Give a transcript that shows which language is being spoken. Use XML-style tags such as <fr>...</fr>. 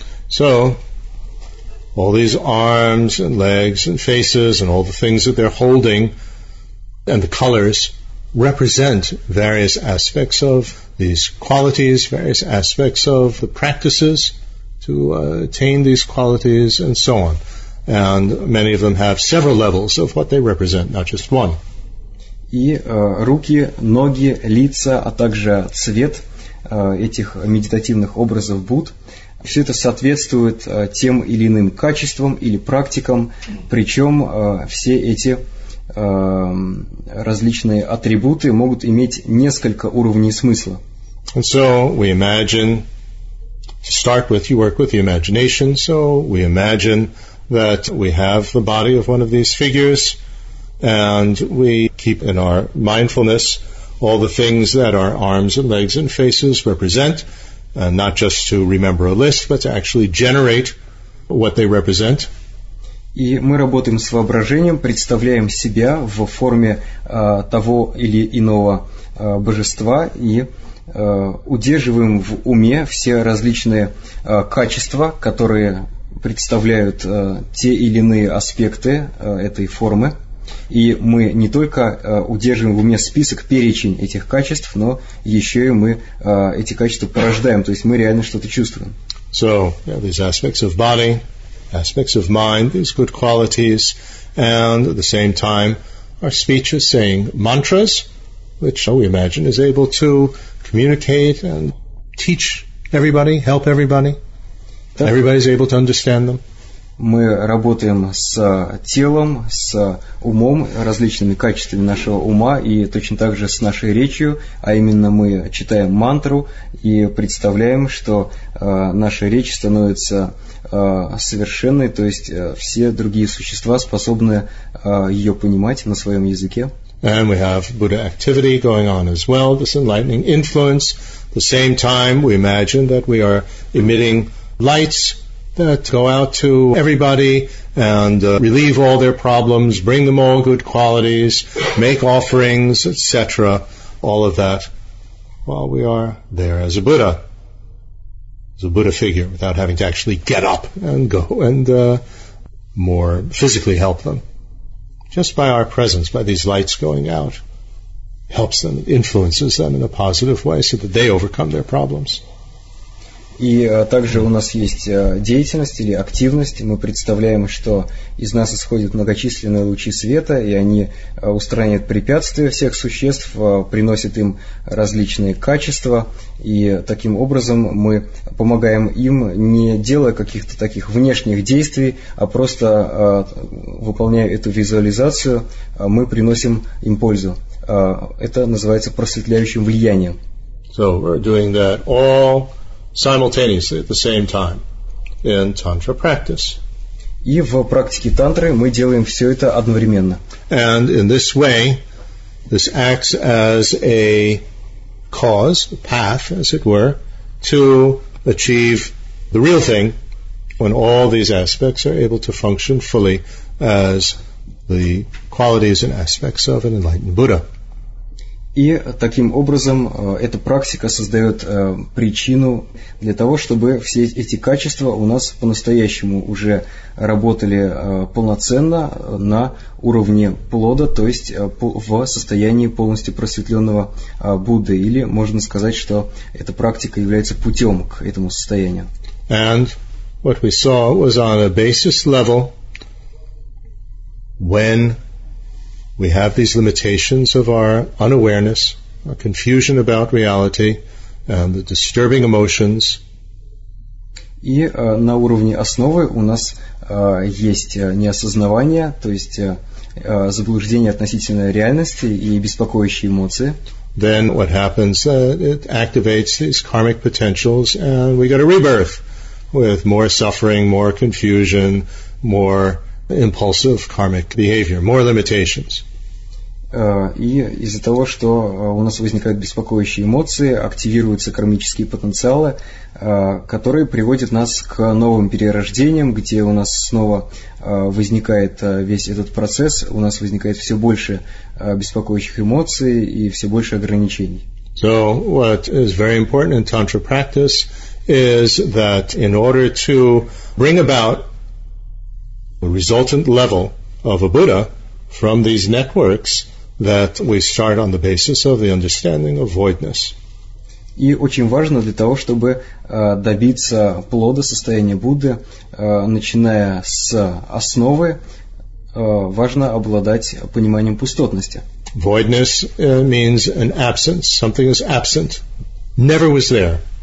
<en>So, all these arms and legs and faces and all the things that they're holding and the colors represent various aspects of these qualities, various aspects of the practices to attain these qualities and so on. And many of them have several levels of what they represent, not just one.</en> <ru>И руки, ноги, лица, а также цвет этих медитативных образов Будд, все это соответствует тем или иным качествам или практикам, причем все эти различные атрибуты могут иметь несколько уровней смысла.</ru> <en>And so we imagine, to start with, you work with the imagination, so we imagine that we have the body of one of these figures, and we keep in our mindfulness all the things that our arms and legs and faces represent, and not just to remember a list, but to actually generate what they represent.</en> <ru>И мы работаем с воображением, представляем себя в форме того или иного божества и удерживаем в уме все различные качества, которые представляют те или иные аспекты этой формы. И мы не только удерживаем в уме список, перечень этих качеств, но еще и мы эти качества порождаем, то есть мы реально что-то чувствуем.</ru> <en>So, yeah, these aspects of body, aspects of mind, these good qualities, and at the same time, our speech is saying mantras, which we imagine is able to communicate and teach everybody, help everybody. Everybody is able to understand them.</en> <ru>Мы работаем с телом, с умом, различными качествами нашего ума и точно так же с нашей речью, а именно мы читаем мантру и представляем, что наша речь становится совершенной, то есть все другие существа способны ее понимать на своем языке.</ru> <en>And we have Buddha activity going on as well, this enlightening influence. At the same time, we imagine that we are emitting lights that go out to everybody and relieve all their problems, bring them all good qualities, make offerings, etc., all of that, while we are there as a Buddha, as a Buddha figure, without having to actually get up and go and more physically help them. Just by our presence, by these lights going out, helps them, influences them in a positive way so that they overcome their problems.</en> <ru>И также у нас есть деятельность или активность. Мы представляем, что из нас исходят многочисленные лучи света, и они устраняют препятствия всех существ, приносят им различные качества, и таким образом мы помогаем им, не делая каких-то таких внешних действий, а просто выполняя эту визуализацию, мы приносим им пользу. Это называется просветляющим влиянием.</ru> <en>So we're doing that all simultaneously, at the same time, in tantra practice.</en> <ru>И в практике тантры мы делаем все это одновременно.</ru> <en>And in this way, this acts as a cause, a path, as it were, to achieve the real thing when all these aspects are able to function fully as the qualities and aspects of an enlightened Buddha.</en> <ru>И таким образом эта практика создает причину для того, чтобы все эти качества у нас по-настоящему уже работали полноценно на уровне плода, то есть в состоянии полностью просветленного Будды. Или можно сказать, что эта практика является путем к этому состоянию.</ru> <en>And what we saw was on a basis level, when we have these limitations of our unawareness, our confusion about reality, and the disturbing emotions.</en> <ru>И на уровне основы у нас есть неосознавание, то есть заблуждение относительно реальности и беспокоящие эмоции.</ru> <en>Then what happens? It activates these karmic potentials, and we get a rebirth with more suffering, more confusion, more impulsive karmic behavior, more limitations.</en> <ru>И из-за того, что у нас возникают беспокоящие эмоции, активируются кармические потенциалы, которые приводят нас к новым перерождениям, где у нас снова возникает весь этот процесс, у нас возникает все больше беспокоящих эмоций и все больше ограничений.</ru> <en>So what is very important in tantra practice is that in order to bring about a resultant level of a Buddha from these networks, that we start on the basis of the understanding of voidness.</en> <ru>И очень важно для того, чтобы добиться плода состояния Будды, начиная с основы, важно обладать пониманием пустотности.</ru> <en>Voidness means an absence. Something is absent. Never was there.</en>